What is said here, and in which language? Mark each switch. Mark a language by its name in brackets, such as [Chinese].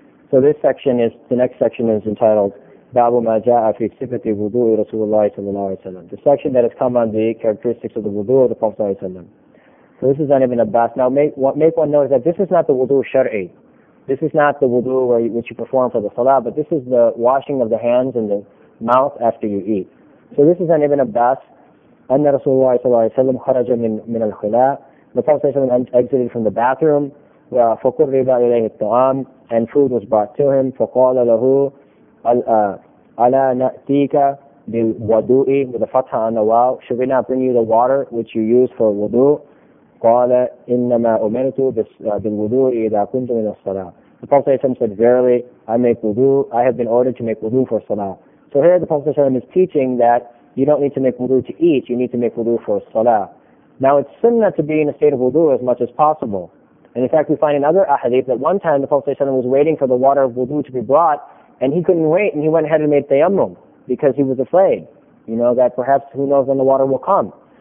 [English] So the next section is entitled, Babu ma ja'a fi sifati wudu'i Rasulullah sallallahu alayhi wa sallam. The section that has come on the characteristics of the wudu' of the Prophet sallallahu alayhi wa sallam. So this is on Ibn Abbas. Now make one note that this is not the wudu shar'i. This is not the wudu which you perform for the salah, but this is the washing of the hands and the mouth after you eat. So this is on Ibn Abbas. [Arabic] أن رسول الله صلى الله عليه وسلم خرج من الخلاء. [English] The Prophet exited from the bathroom. [Arabic] فقرب إليه الطعام. [English] And food was brought to him. [Arabic] فقال له ألا نأتيك بالوضوء. [English] With the fatha on the waw. Should we not bring you the water which you use for wudu? [Arabic] قال إنما أمرت بالوضوء إذا كنت من الصلاة. [English] The Prophet said, verily, I have been ordered to make wudu for salah. So here the Prophet is teaching that you don't need to make wudu to eat, you need to make wudu for salah. Now it's sunnah to be in a state of wudu as much as possible. And in fact we find in other ahadith that one time the Prophet was waiting for the water of wudu to be brought and he couldn't wait and he went ahead and made tayammum because he was afraid, you know, that perhaps who knows when the water will come.